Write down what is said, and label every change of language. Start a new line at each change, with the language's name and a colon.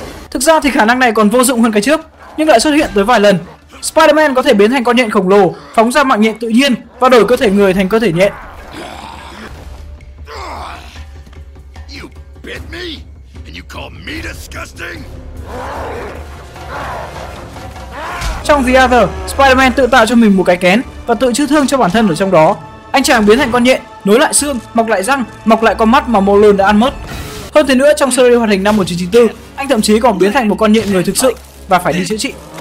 Vietnamese: Thực ra thì khả năng này còn vô dụng hơn cái trước, nhưng lại xuất hiện tới vài lần. Spider-Man có thể biến thành con nhện khổng lồ, phóng ra mạng nhện tự nhiên và đổi cơ thể người thành cơ thể nhện.
English: You bit me, and you call me disgusting.
Vietnamese: Trong The Other, Spider-Man tự tạo cho mình một cái kén và tự chữa thương cho bản thân ở trong đó. Anh chàng biến thành con nhện, nối lại xương, mọc lại răng, mọc lại con mắt mà Molon đã ăn mất. Hơn thế nữa, trong series hoạt hình năm 1994, Anh thậm chí còn biến thành một con nhện người thực sự và phải đi chữa trị.